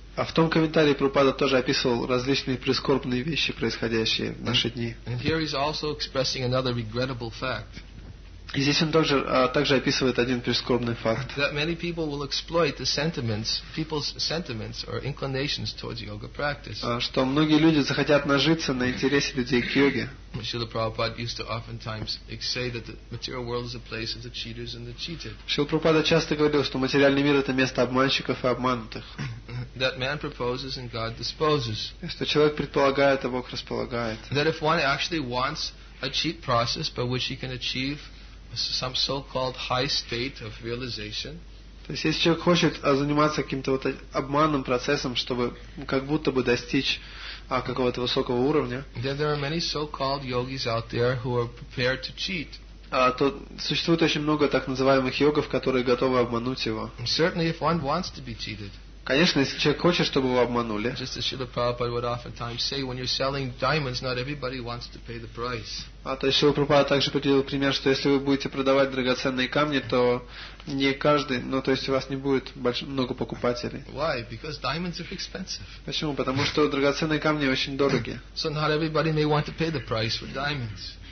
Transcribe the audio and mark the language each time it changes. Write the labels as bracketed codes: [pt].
[ru] А в том комментарии Прабхупада тоже описывал различные прискорбные вещи, происходящие в наши дни. [en] And here he's also expressing another regrettable fact. [ru] И здесь он также описывает один прискорбный факт. [en] That many people will exploit the sentiments, people's sentiments or inclinations towards yoga practice. [ru] Что многие люди захотят нажиться на интересе людей к йоге. [en] Srila Prabhupada used to oftentimes say that the material world is a place of the cheaters and the cheated. [ru] Srila Prabhupada часто говорил, что материальный мир — это место обманщиков и обманутых. [en] That man proposes and God disposes. [ru] Что человек предполагает, а Бог располагает. [en] That if one actually wants a cheap process by which he can achieve some so-called high state of realization. [ru] То есть, если человек хочет заниматься каким-то вот обманным процессом, чтобы как будто бы достичь какого-то высокого уровня. [en] Then there are many so-called yogis out there who are prepared to cheat. [ru] То существует очень много так называемых йогов, которые готовы обмануть его. [en] Certainly, if one wants to be cheated. [ru] Конечно, если человек хочет, чтобы его обманули. [en] Just as Srila Prabhupada would oftentimes say, when you're selling diamonds, not everybody wants to pay the price. [ru] То есть Шрила Прабхупада также приводил пример, что если вы будете продавать драгоценные камни, то не каждый, то есть у вас не будет много покупателей. [en] Why? Because diamonds are expensive. [ru] Почему? Потому что драгоценные камни очень дороги. [en] So not everybody may want to pay the price for diamonds.